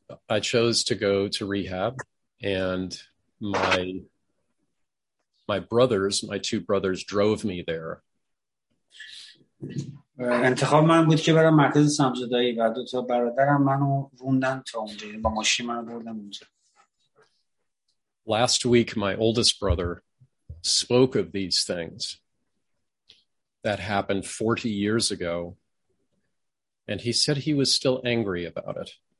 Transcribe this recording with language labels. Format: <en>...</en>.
<en>I chose to go to rehab, and my two brothers drove me there.</en> <fa>انتخاب من بود که برم مرکز سمزدایی و دو تا برادرم منو روندن تا اونجا با ماشین منو بردن اونجا.</fa> <en>Last week my oldest brother spoke of these things that happened 40 years ago, and he said he was still angry about it.</en>